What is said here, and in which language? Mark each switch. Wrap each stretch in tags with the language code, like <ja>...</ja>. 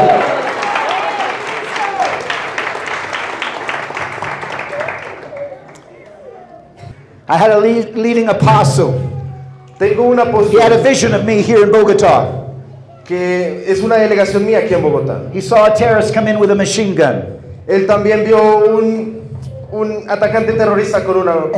<en>Hallelujah. I had a leading apostle.</en> <es>Tengo un apóstol.</es> <en>He had a vision of me here in Bogotá.</en> <es>Que es una delegación mía aquí en Bogotá.</es> <en>He saw a terrorist come in with a machine gun.</en> <es>Él también vio un atacante terrorista con una ametralladora.</es>